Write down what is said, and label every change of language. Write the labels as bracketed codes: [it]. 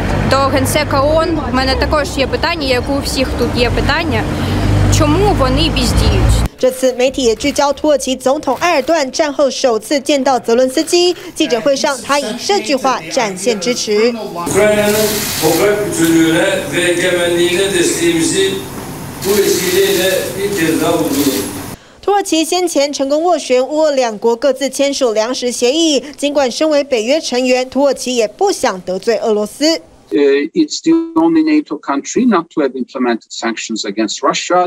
[uk] До генсека ООН у мене також є питання, як у всіх тут є питання, чому вони бездіють? [zh] 这次媒体也聚焦土耳其总统埃尔段战后首次见到泽伦斯基，记者会上他以这句话展现支持。土耳其先前成功斡旋乌俄两国各自签署粮食协议，尽管身为北约成员，土耳其也不想得罪俄罗斯。 [en] It's the only NATO country not to have implemented sanctions against Russia.